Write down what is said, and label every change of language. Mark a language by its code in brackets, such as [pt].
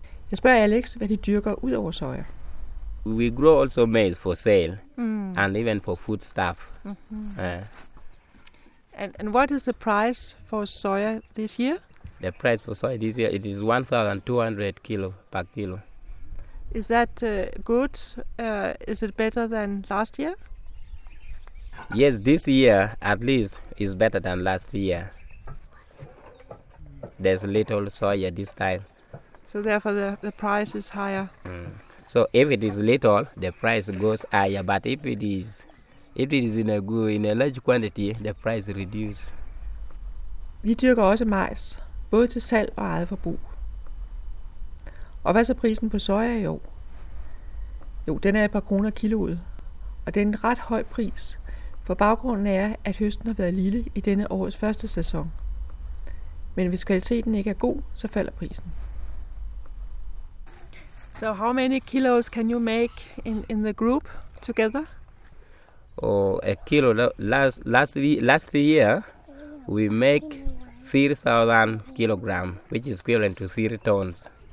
[da] Jeg spørger Alex, hvad de dyrker ud over soja. [en] We grow also maize for sale and even for food stuff. Mm-hmm. And what is the price for soya this year? The price for soya this year, it is 1,200 kilo per kilo. Is that good? Is it better than last year? Yes, this year at least is better than last year. There's little soya this time. So therefore the price is higher. Mm. So if it is little, the price goes higher. But if it is in a good, in a large quantity, the price reduces. [da] Vi dyrker også majs, både til salg og eget forbrug. Og hvad så prisen på soja i år? Jo, den er et par kroner kiloet, og det er en ret høj pris, for baggrunden er, at høsten har været lille i denne årets første sæson. Men hvis kvaliteten ikke er god, så falder prisen. [en] So how many kilos can you make in the group together? Oh, a kilo last year we make 3,000 kilogram, which is equivalent to 3 tons.